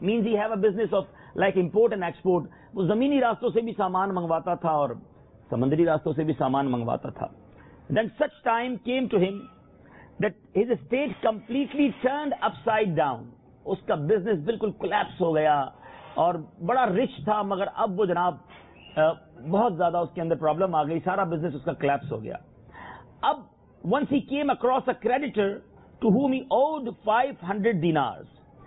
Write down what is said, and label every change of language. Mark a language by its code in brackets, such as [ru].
[en] Means he have a business of like import and export. [ur] وہ زمینی راستوں سے بھی سامان منگواتا تھا اور سمندری راستوں سے بھی سامان منگواتا تھا. [en] Then such time came to him that his estate completely turned upside down. [ur] اس کا business بالکل collapse ہو گیا، اور بڑا rich تھا، مگر اب وہ جناب بہت زیادہ اس کے اندر problem آ گئی، سارا business اس کا collapse ہو گیا. [en] اب once he came across a creditor to whom he owed 500 dinars.